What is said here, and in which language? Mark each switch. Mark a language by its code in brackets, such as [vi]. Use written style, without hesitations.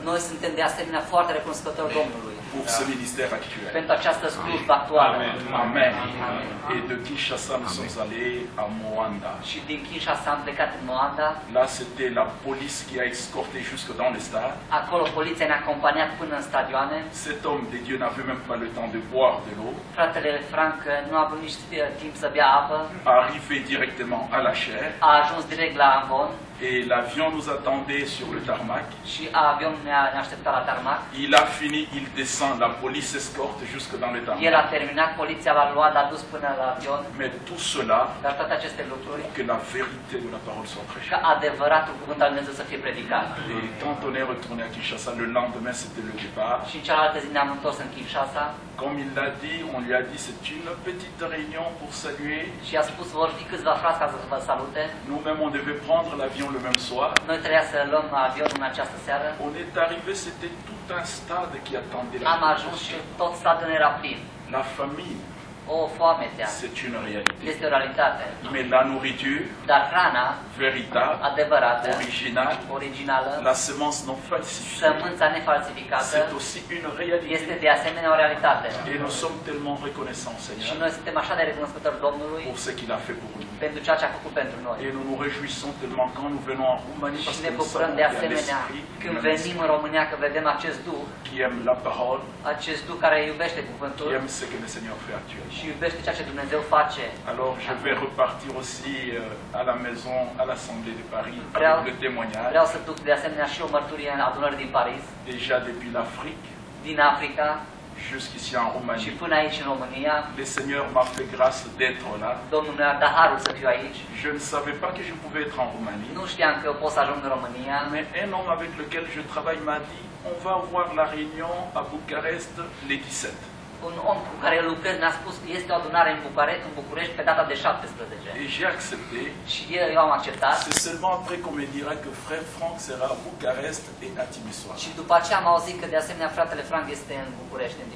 [ro] Noi suntem de asemenea foarte recunoscători Domnului. [fr] Pour ce ministère actuel. [ro] Pentru această slujbă actuală. Amen. Amen. [fr] Et de Kinshasa nous sommes allés à Moanda. [ro] Și din Kinshasa am plecat în Moanda. [fr] Là c'était la police qui a escorté jusque dans le stade. [ro] Acolo poliția ne-a acompaniat până în stadioane. [fr] Cet homme de Dieu n'avait même pas le temps de boire de l'eau. [ro] Fratele Frank nu a avut nici timp să bea apă. [fr] Arrivé directement à la chaire. [ro] A ajuns direct la amvon. [fr] Et l'avion nous attendait sur le tarmac. [ro] Și avionul ne-a așteptat la tarmac. [fr] Il a fini, il descend, la police escorte jusque dans le tarmac. [ro] El a terminat, poliția l-a luat, l-a dus până la avion. [fr] Mais tout cela, [ro] dar toate aceste lucruri, [fr] que la vérité de la parole soit prêchée. [ro] Că adevăratul cuvânt al Dumnezeu să fie predicat. [fr] Et quand on est retourné à Kinshasa, le lendemain c'était le départ. [ro] Și în cealaltă zi ne-am întors în Kinshasa. [fr] Comme il l'a dit, on lui a dit c'est une petite réunion pour saluer. [ro] Și a spus vor fi câțiva frați ca să vă salute. [fr] Nous-mêmes on devait prendre l'avion le même soir. [ro] Noi trebuia să luăm avionul în această seară. [fr] On est arrivé, c'était tout un stade qui attendait. [ro] Am ajuns și tot stadionul era plin. [fr] La famille. [ro] O foamea. [fr] C'est une réalité. [ro] Este o realitate. [fr] Mais la nourriture. [ro] Dar hrana. Veritabilă. Adevărată. Originală. Originală. [fr] La semence non falsifiée. [ro] Sămânța nefalsificată. [fr] C'est aussi une réalité. [ro] Este de asemenea o realitate. [fr] Et nous sommes tellement reconnaissants, Seigneur. [ro] Și noi suntem așa de recunoscători Domnului. [fr] Pour ce qu'il a fait pour nous. [ro] Pentru ceea ce a făcut pentru noi. [fr] Et nous nous réjouissons tellement quand nous venons en Roumanie. [ro] Și ne bucurăm de asemenea când venim în România că vedem acest duh. [fr] Qui aime la parole. [ro] Acest duh care iubește cuvântul. [fr] Qui aime ce que le Seigneur fait actuellement. [ro] Și iubește ceea ce Dumnezeu face. [fr] Alors je vais repartir aussi à la maison à l'Assemblée de Paris avec le témoignage. [ro] Vreau să duc de asemenea și o mărturie în adunări din Paris. [fr] Déjà depuis l'Afrique. [ro] Din Africa. [fr] Jusqu'ici en Roumanie. [ro] Și până aici în România. [fr] Le Seigneur m'a fait grâce d'être là. [ro] Domnul mi-a dat harul să fiu aici. [fr] Je ne savais pas que je pouvais être en Roumanie. [ro] Nu știam că pot să ajung în România. [fr] Mais un homme avec lequel je travaille m'a dit on va voir la réunion à Bucarest le 17. [ro] Un om cu care lucrez mi-a spus că este o adunare în București pe data de 17. [fr] Et j'ai accepté. [ro] Și eu am acceptat. [fr] C'est seulement après qu'on me dira que frère Frank sera à Bucarest et à Timișoara. [ro] Și după aceea am auzit că de asemenea fratele Frank este în București.